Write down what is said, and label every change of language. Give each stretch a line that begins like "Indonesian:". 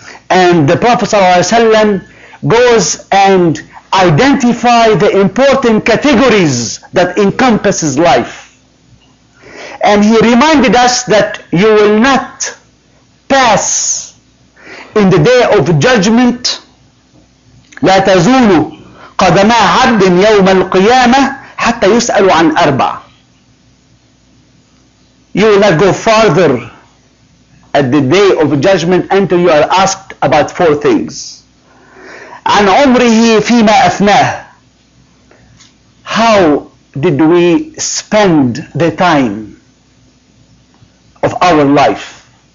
English: And the Prophet ﷺ goes and identify the important categories that encompasses life. And he reminded us that you will not pass in the day of judgment.
Arabic: لا تزول قدما عبد يوم القيامة حتى يسأل عن أربع.
English: You will not go farther at the day of judgment until you are asked about four things.
Arabic: عن عمره فيما أثناه.
English: How did we spend the time of our life?